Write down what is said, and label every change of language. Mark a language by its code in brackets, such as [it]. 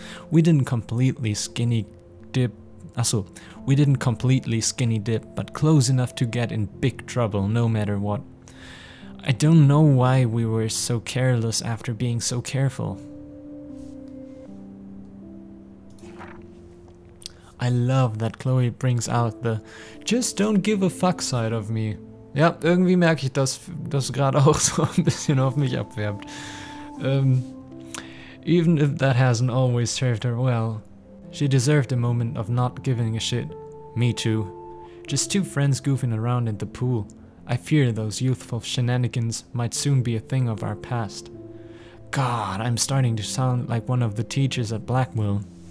[en] We didn't completely skinny dip, but close enough to get in big trouble no matter what. I don't know why we were so careless after being so careful. I love that Chloe brings out the just don't give a fuck side of me. [de] Ja, irgendwie merke ich, dass das gerade auch so ein bisschen auf mich abwerbt. [en] Even if that hasn't always served her well, she deserved a moment of not giving a shit. Me too. Just two friends goofing around in the pool. I fear those youthful shenanigans might soon be a thing of our past. God, I'm starting to sound like one of the teachers at Blackwell.